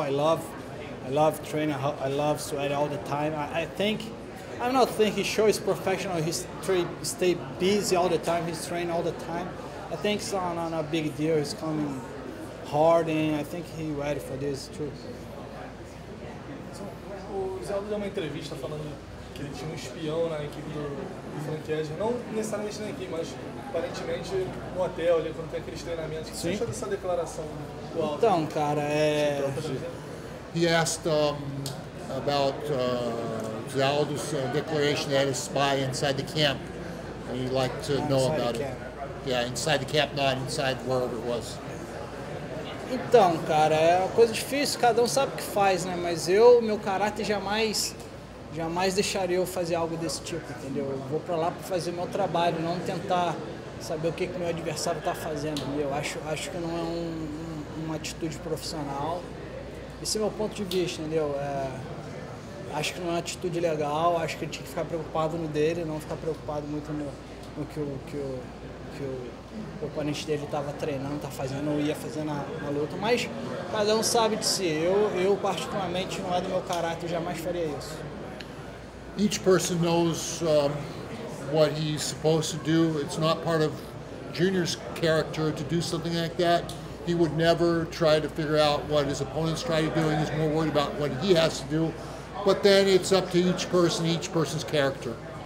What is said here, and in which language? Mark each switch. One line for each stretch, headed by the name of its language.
English: I love training. I love sweat all the time. I don't think he shows professional. He stay busy all the time. He's training all the time. I think it's not a big deal. He's coming hard, and I think he ready for this too.
Portuguese: O Zé deu uma entrevista falando que ele tinha espião na equipe do franquia, não necessariamente na equipe, mas aparentemente no hotel ali quando tem aqueles treinamentos. Sim. Você acha dessa declaração do Aldo? Então, cara,
English: He asked about Zaldo's declaration that he had a spy inside the camp, and he'd like to know about it. Yeah, inside the camp, not inside wherever it was.
Portuguese: Então, cara, é uma coisa difícil, cada um sabe o que faz, né? Mas eu, meu caráter, jamais deixaria eu fazer algo desse tipo, entendeu? Eu vou pra lá pra fazer o meu trabalho, não tentar saber o que meu adversário tá fazendo, entendeu? Acho que não é uma atitude profissional. Esse é o meu ponto de vista, entendeu? Acho que não é uma atitude legal, acho que ele tinha que ficar preocupado no dele, não ficar preocupado muito no que o oponente dele estava treinando, tá fazendo ou ia fazer na luta, mas cada um sabe de si. Eu particularmente não é do meu caráter, eu jamais faria isso.
English: Each person knows what he's supposed to do. It's not part of Junior's character to do something like that. He would never try to figure out what his opponents try to do. He's more worried about what he has to do. But then it's up to each person's character.